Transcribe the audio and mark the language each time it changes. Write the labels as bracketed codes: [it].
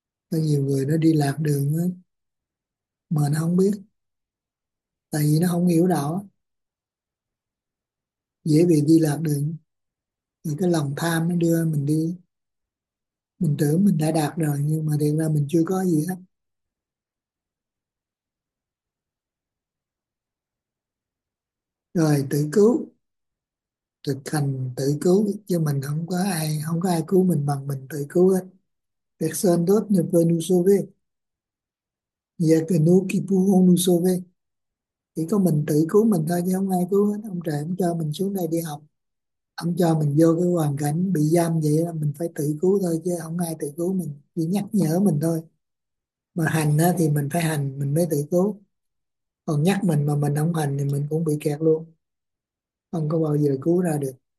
[vi] Có nhiều người nó đi lạc đường á mà nó không biết, tại vì nó không hiểu đạo, dễ bị đi lạc đường vì cái lòng tham nó đưa mình đi, mình tưởng mình đã đạt rồi nhưng mà thiệt ra mình chưa có gì hết. Rồi tự cứu, thực hành tự cứu chứ mình không có ai, không có ai cứu mình bằng mình tự cứu hết. [fr] Personne d'autre ne peut nous sauver, il y a que nous qui pouvons nous sauver. [vi] Chỉ có mình tự cứu mình thôi chứ không ai cứu hết. Ông trời không cho mình xuống đây đi học, ông cho mình vô cái hoàn cảnh bị giam vậy là mình phải tự cứu thôi chứ không ai tự cứu mình, chỉ nhắc nhở mình thôi. Mà hành thì mình phải hành mình mới tự cứu, còn nhắc mình mà mình không hành thì mình cũng bị kẹt luôn, không có bao giờ cứu ra được.